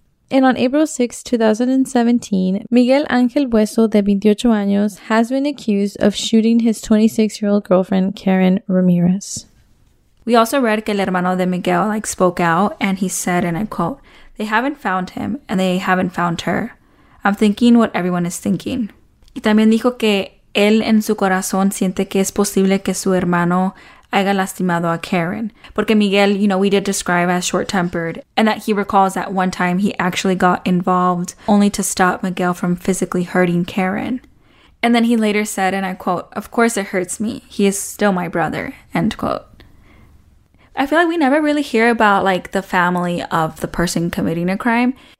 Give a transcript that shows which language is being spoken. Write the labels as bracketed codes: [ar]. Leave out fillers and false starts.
[en] And on April 6, 2017, Miguel Angel Bueso, [es] de 28 años, [en] has been accused of shooting his 26-year-old girlfriend, Karen Ramirez. We also read [es] que el hermano de Miguel, [en] like, spoke out, and he said, and I quote, "They haven't found him, and they haven't found her. I'm thinking what everyone is thinking." [es] Y también dijo que él en su corazón siente que es posible que su hermano haya lastimado a Karen. [en] Porque Miguel, you know, we did describe as short-tempered. And that he recalls that one time he actually got involved only to stop Miguel from physically hurting Karen. And then he later said, and I quote, "Of course it hurts me. He is still my brother," end quote. I feel like we never really hear about, like, the family of the person committing a crime.